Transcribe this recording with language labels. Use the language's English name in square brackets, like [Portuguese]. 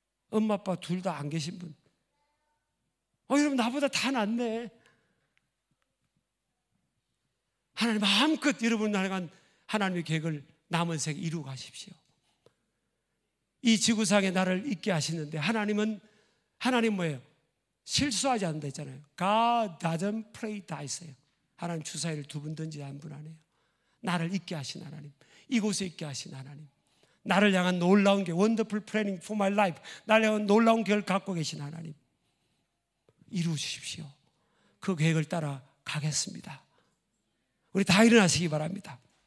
[Korean] 엄마 아빠 둘 다 안 계신 분. 여러분 나보다 다 낫네. 하나님 마음껏 여러분 나간 하나님의 계획을 남은 생 이루어 가십시오. 이 지구상에 나를 있게 하시는데 하나님은, 하나님 뭐예요? 실수하지 않는다 했잖아요. [English] God doesn't play dice예요. [Korean] 하나님 주사위를 두 번 던지지 않은 분 아니에요. 나를 있게 하신 하나님, 이곳에 있게 하신 하나님, 나를 향한 놀라운 계획, [English] wonderful planning for my life, [Korean] 나를 향한 놀라운 계획을 갖고 계신 하나님, 이루어주십시오. 그 계획을 따라 가겠습니다. 우리 다 일어나시기 바랍니다.